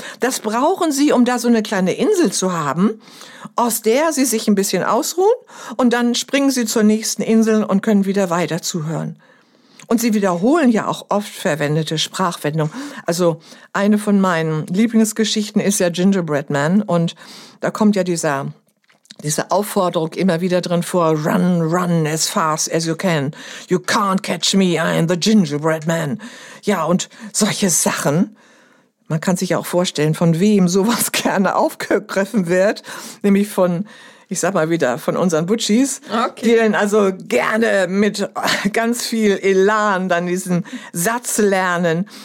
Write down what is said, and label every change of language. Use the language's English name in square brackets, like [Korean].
[German] Das brauchen sie, um da so eine kleine Insel zu haben, aus der sie sich ein bisschen ausruhen und dann springen sie zur nächsten Insel und können wieder weiter zuhören. Und sie wiederholen ja auch oft verwendete Sprachwendungen. Also eine von meinen Lieblingsgeschichten ist ja Gingerbread Man und da kommt ja diese Aufforderung immer wieder drin vor, [English] run, run as fast as you can. You can't catch me, I'm the gingerbread man. [German] Ja, und solche Sachen, man kann sich ja auch vorstellen, von wem sowas gerne aufgegriffen wird. Nämlich von, ich sag mal wieder, von unseren Butchies. Okay. Die dann also gerne mit ganz viel Elan dann diesen Satz lernen.